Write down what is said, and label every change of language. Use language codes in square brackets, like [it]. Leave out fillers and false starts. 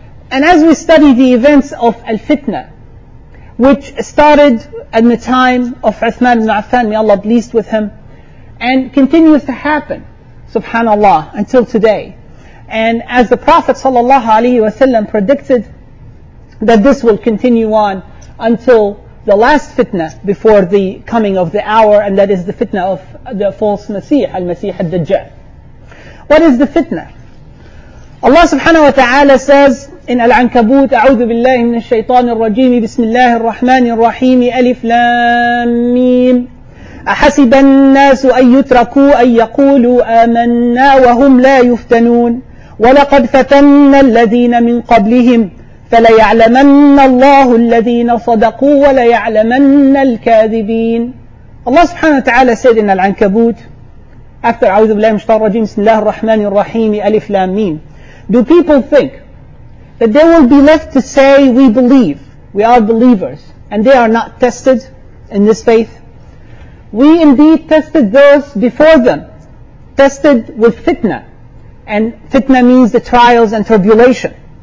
[en] And as we study the events of al-fitna, which started at the time of Uthman ibn Affan, may Allah be pleased with him, and continues to happen, subhanAllah, until today. And as the Prophet sallallahu alayhi wa sallam predicted, that this will continue on until the last fitna before the coming of the hour, and that is the fitna of the false Masih, al-Masih al-Dajjal. What is the fitna? [ar] Allah subhanahu wa ta'ala says, إن العنكبوت أعوذ بالله من الشيطان الرجيم بسم الله الرحمن الرحيم ألف لام ميم أحسب الناس أن يتركوا أن يقولوا آمنا وهم لا يفتنون ولقد فتنا الذين من قبلهم فليعلمن الله الذين صدقوا وليعلمن الكاذبين. الله سبحانه وتعالى سيدنا العنكبوت [en] after [ar] أعوذ بالله من الشيطان الرجيم بسم الله الرحمن الرحيم ألف لام ميم. [en] Do people think that they will be left to say we believe, we are believers, and they are not tested in this faith? We indeed tested those before them, tested with fitna, and fitna means the trials and tribulation.